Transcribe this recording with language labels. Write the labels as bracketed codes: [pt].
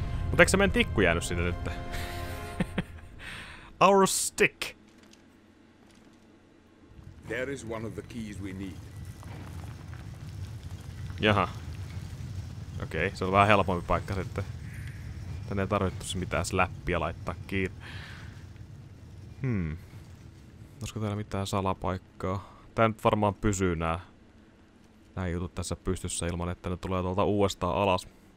[fi] Mut eikö se meidän tikku jääny sinne nytte? [en] Our stick! There is one of the keys we need. [fi] Jaha. Okei, okay, se on vähän helpompi paikka sitten. Tänne ei tarvittuisi mitään släppiä laittaa kiinni. Olisiko täällä mitään salapaikkaa? Tää nyt varmaan pysyy nää jutut tässä pystyssä ilman, että ne tulee tuolta uudestaan alas.